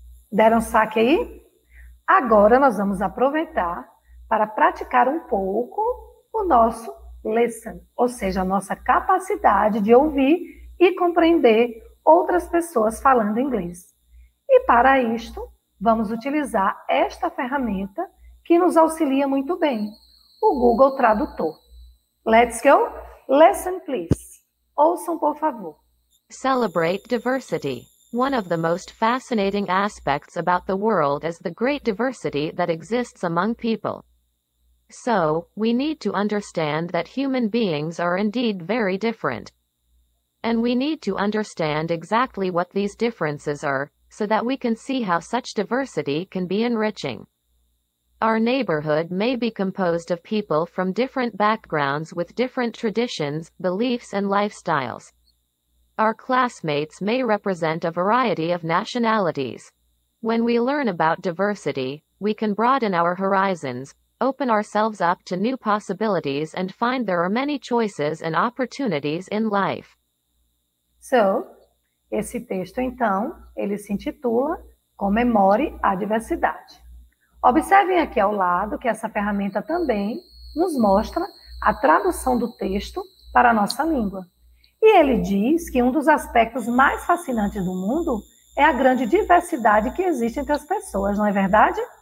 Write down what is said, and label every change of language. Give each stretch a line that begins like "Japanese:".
Portuguese: Deram saque aí? Agora nós vamos aproveitar para praticar um pouco o nosso listen, ou seja, a nossa capacidade de ouvir e compreender outras pessoas falando inglês. E para isto, vamos utilizar esta ferramenta que nos auxilia muito bem. O Google Tradutor.
English: Let's go. Listen, please.
Portuguese: Ouçam, por favor.
English: Celebrate diversity. One of the most fascinating aspects about the world is the great diversity that exists among people. So, we need to understand that human beings are indeed very different. And we need to understand exactly what these differences are, so that we can see how such diversity can be enriching. Our neighborhood may be composed of people from different backgrounds with different traditions, beliefs, and lifestyles. Our classmates may represent a variety of nationalities. When we learn about diversity, we can broaden our horizons, open ourselves up to new possibilities, and find there are many choices and opportunities in life.
Portuguese: So, esse texto, então, ele se intitula Comemore a Diversidade. Observem aqui ao lado que essa ferramenta também nos mostra a tradução do texto para a nossa língua. E ele diz que um dos aspectos mais fascinantes do mundo é a grande diversidade que existe entre as pessoas, não é verdade?